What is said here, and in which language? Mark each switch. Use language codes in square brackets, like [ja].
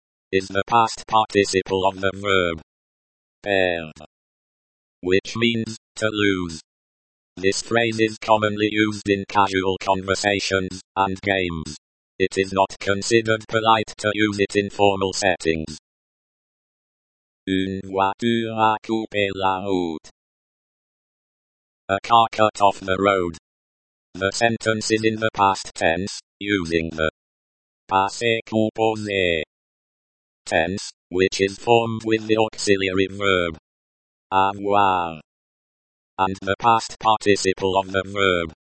[en] is the past participle of the verb [fr] perdre, [en] which means to lose. This phrase is commonly used in casual conversations and games. It is not considered polite to use it in formal settings. [fr] Une voiture a coupé la route. [en] A car cut off the road. The sentence is in the past tense, using the [fr] passé composé [en] tense, which is formed with the auxiliary verb [fr] avoir [en] and the past participle of the verb.